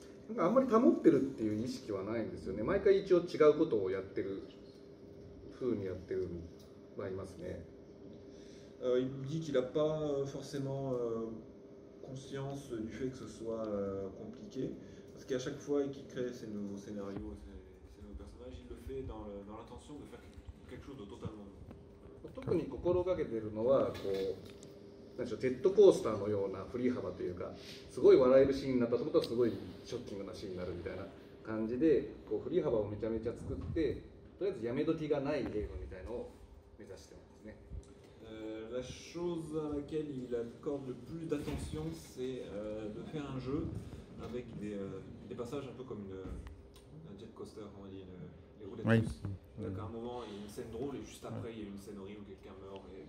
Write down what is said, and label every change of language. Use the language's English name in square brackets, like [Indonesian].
[Japanese] なんかあんまり保ってるっていう意識はないんですよね。毎回一応違うことをやってる風にやってるはいますね。 [French] Il dit qu'il n'a pas forcément conscience du fait que ce soit compliqué. Parce qu'à chaque fois qu'il crée ses nouveaux scénarios, ses nouveaux personnages, il le fait dans l'intention de faire quelque chose de totalement nouveau. [Japanese] 特に心がけてるのはこう、なんでしょう、ジェットコースターのような振り幅というか、すごい笑えるシーンになったと思ったら、すごいショッキングなシーンになるみたいな感じで、こう振り幅をめちゃめちゃ作って、とりあえずやめどきがないゲームみたいなのを目指してます。 [French] La chose à laquelle il accorde le plus d'attention, c'est de faire un jeu avec des passages un peu comme un jet coaster, comme on dit, les roulettes Oui. russes. Donc à un moment, il y a une scène drôle et juste après, il y a une scène horrible où quelqu'un meurt.